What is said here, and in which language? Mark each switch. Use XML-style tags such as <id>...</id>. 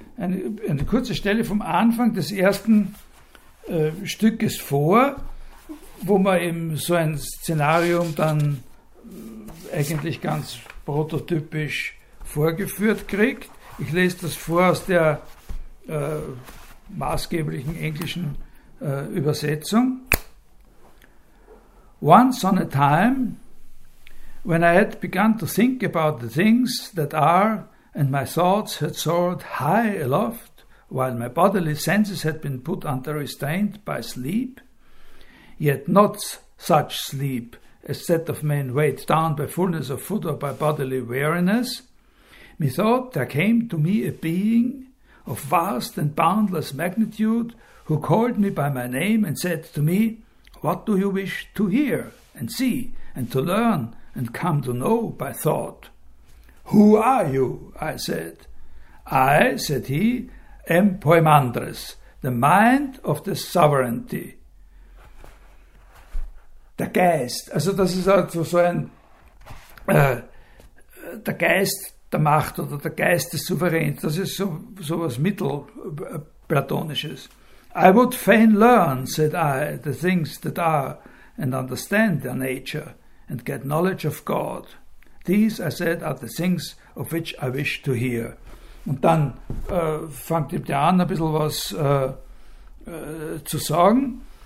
<de>eine kurze Stelle vom Anfang des ersten Stückes vor, wo man eben so ein Szenario dann eigentlich ganz prototypisch vorgeführt kriegt. Ich lese das vor aus der maßgeblichen englischen Übersetzung.</de> <en>Once on a time, when I had begun to think about the things that are, and my thoughts had soared high aloft, while my bodily senses had been put under restraint by sleep, yet not such sleep as that of men weighed down by fullness of food or by bodily weariness, methought there came to me a being of vast and boundless magnitude, who called me by my name and said to me, What do you wish to hear and see and to learn and come to know by thought? Who are you? I said. I, said he, am Poemandres, the mind of the sovereignty.</en> <de>Der Geist, also das ist also so ein, der Geist der Macht oder der Geist des Souveräns, das ist so was Mittelplatonisches.</de> <en>I would fain learn, said I, the things that are, and understand their nature, and get knowledge of God. These, I said, are the things of which I wish to hear.</en> <de>Und dann fangt ihm der an, ein bisschen was zu sagen.</de>